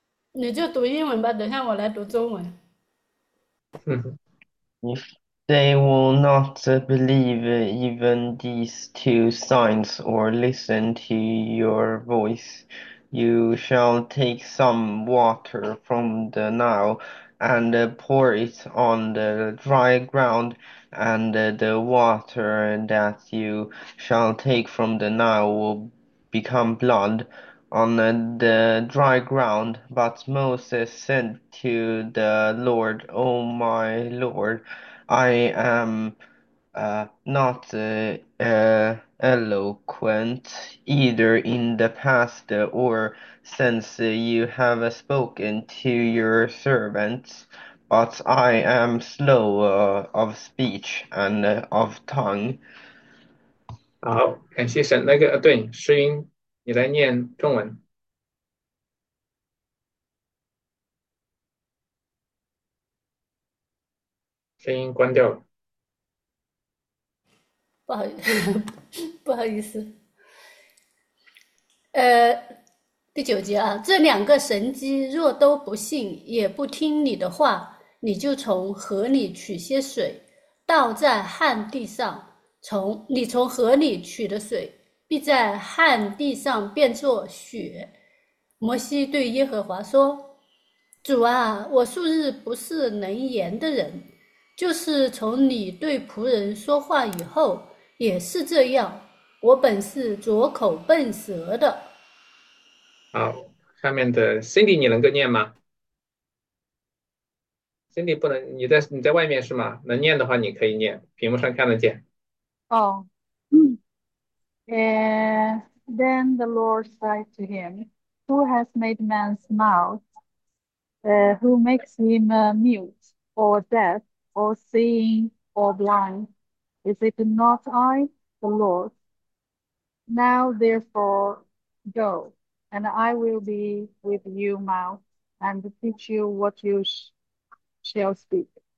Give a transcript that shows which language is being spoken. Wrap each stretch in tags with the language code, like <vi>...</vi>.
<zh>你就读英文吧，等下我来读中文。</zh> <en>They will not believe even these two signs or listen to your voice. You shall take some water from the Nile and pour it on the dry ground, and the water that you shall take from the Nile will become blood on the dry ground. But Moses said to the Lord, "O my Lord, I am not eloquent either in the past or since you have spoken to your servants, but I am slow of speech and of tongue."</en> <zh>好，感谢神。那个，对，诗音，你来念中文。声音关掉了。不好意思，第九节啊，这两个神迹若都不信，也不听你的话，你就从河里取些水，倒在旱地上。你从河里取的水，必在旱地上变作雪。摩西对耶和华说：“主啊，我素日不是能言的人，就是从你对仆人说话以后，也是这样。我本是拙口笨舌的。好，下面的 Cindy，你能够念吗？Cindy 不能，你在外面是吗？能念的话你可以念，屏幕上看得见。</zh> <en>Oh, and then the Lord said to him, "Who has made man's mouth? Who makes him mute, or deaf, or seeing, or blind? Is it not I, the Lord? Now, therefore, go, and I will be with you mouth, and teach you what you shall speak."</en>